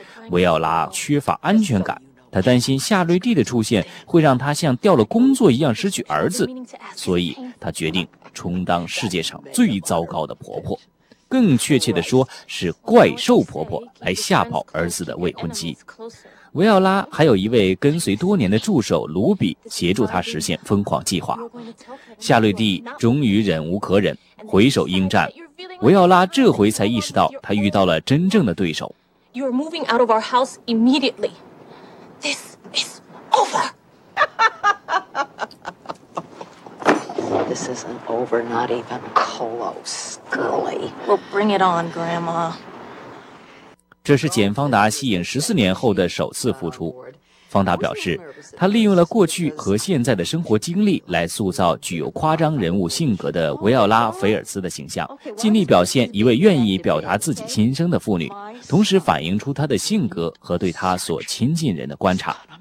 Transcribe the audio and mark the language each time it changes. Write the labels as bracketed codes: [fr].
[zh] 维奥拉缺乏安全感，他担心夏瑞蒂的出现会让他像掉了工作一样失去儿子，所以他决定充当世界上最糟糕的婆婆，更确切地说是怪兽婆婆，来吓跑儿子的未婚妻。维奥拉还有一位跟随多年的助手卢比协助他实现疯狂计划。夏瑞蒂终于忍无可忍，回首应战，维奥拉这回才意识到他遇到了真正的对手。 [en] You are moving out of our house immediately. This is over. This isn't over, not even close, girlie. Well, bring it on, Grandma. [zh] 这是简·方达吸引14年后的首次复出。方达表示，他利用了过去和现在的生活经历来塑造具有夸张人物性格的维奥拉·菲尔兹的形象，尽力表现一位愿意表达自己心声的妇女，同时反映出她的性格和对她所亲近人的观察。